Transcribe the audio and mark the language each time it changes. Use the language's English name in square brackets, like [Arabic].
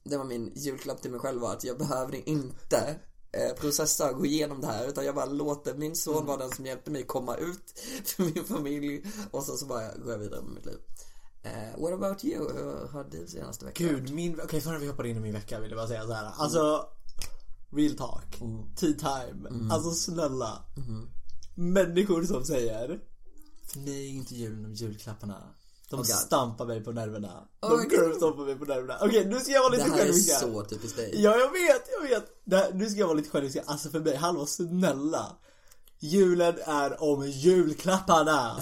[Swedish] Det var min julklapp till mig själv, att jag behöver inte processa och gå igenom det här, utan jag bara låter min son vara den som hjälpte mig komma ut för min familj, och så bara går jag vidare med mitt liv. [English] What about you? [Swedish] Hur har du senaste veckan? Gud, min... Okej, förrän vi hoppar in i min vecka vill jag bara säga så här. Alltså, [English] real talk, tea time. [Swedish] Alltså snälla, människor som säger, för mig är inte julen om julklapparna. De stampar mig på nerverna. Okej, nu ska jag vara lite självisk. Det här är så typiskt dig. Ja, jag vet. Nu ska jag vara lite självisk. Alltså för mig, hallå snälla. Julen är om julklapparna.